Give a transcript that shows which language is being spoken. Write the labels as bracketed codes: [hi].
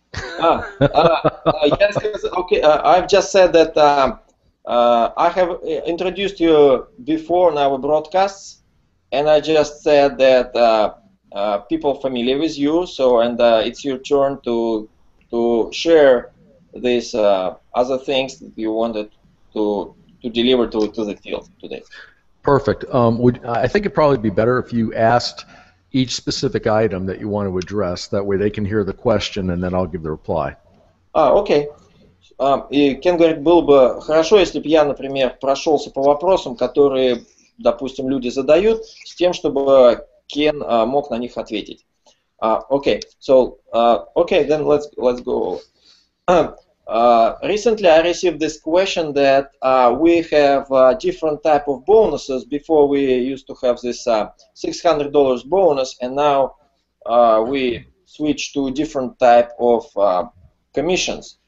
[en] I've just said that I have introduced you before in our broadcasts, and I just said that people are familiar with you, so and it's your turn to share these other things that you wanted to deliver to the field today. Perfect. I think it'd probably be better if you asked each specific item that you want to address. That way they can hear the question, and then I'll give the reply. Okay. [ru] И Кен говорит, было бы хорошо, если бы я, например, прошелся по вопросам, которые, допустим, люди задают, с тем, чтобы Кен мог на них ответить. [en] Okay. So, okay, then let's go. Recently I received this question that we have different type of bonuses. Before we used to have this $600 bonus, and now we switch to different type of commissions.